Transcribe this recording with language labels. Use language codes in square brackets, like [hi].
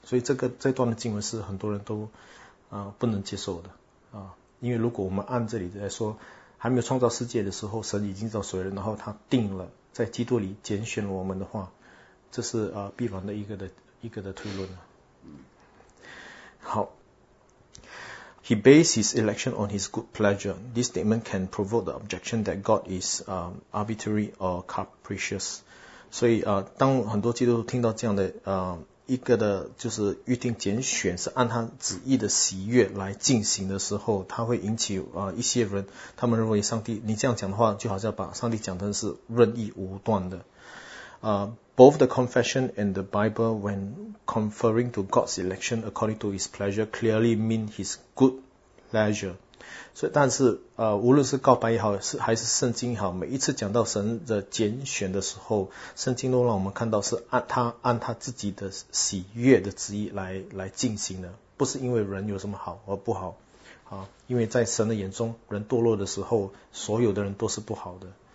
[zh] 所以这段的经文是很多人都不能接受的因为如果我们按这里来说，还没有创造世界的时候神已经知道谁了，然后他定了在基督里拣选了我们的话，这是必然的一个的推论好。 [en] He based his election on his good pleasure. This statement can provoke the objection that God is arbitrary or capricious. [zh] 所以当很多基督徒听到这样的一个的就是预定拣选是按他旨意的喜悦来进行的时候，他会引起一些人，他们认为上帝，你这样讲的话就好像把上帝讲成是任意无端的。 [en] Both the confession and the Bible, when conferring to God's election according to His pleasure, clearly mean His good pleasure. [zh] 所以，但是无论是告白也好，还是圣经也好，每一次讲到神的拣选的时候，圣经都让我们看到是按他自己的喜悦的旨意来进行的，不是因为人有什么好或不好因为在神的眼中，人堕落的时候，所有的人都是不好的。